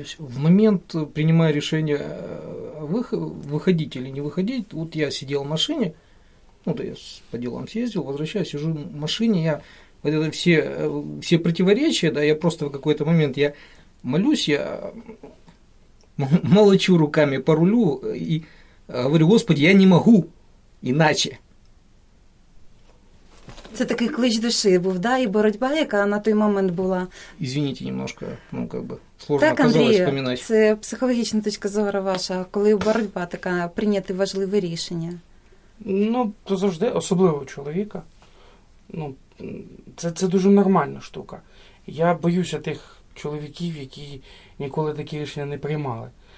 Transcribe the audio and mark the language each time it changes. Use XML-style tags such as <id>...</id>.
<ru>В момент, принимая решение, выходить или не выходить, вот я сидел в машине, я по делам съездил, возвращаюсь, сижу в машине, я... Вот это все противоречия, да, я просто в какой-то момент, я молюсь, я молочу руками по рулю и говорю: «Господи, я не могу иначе».</ru> <uk>Це такий клич души був, да, и боротьба, яка на той момент була.</uk> <ru>Извините немножко, сложно оказалось вспоминать.</ru> <uk>Так, Андрій, це психологічна точка зору ваша, коли боротьба така, прийняти важливе рішення. Ну, то завжди, особливо у чоловіка, Це дуже нормальна штука. Я боюся тих чоловіків, які ніколи такі рішення не приймали.</uk>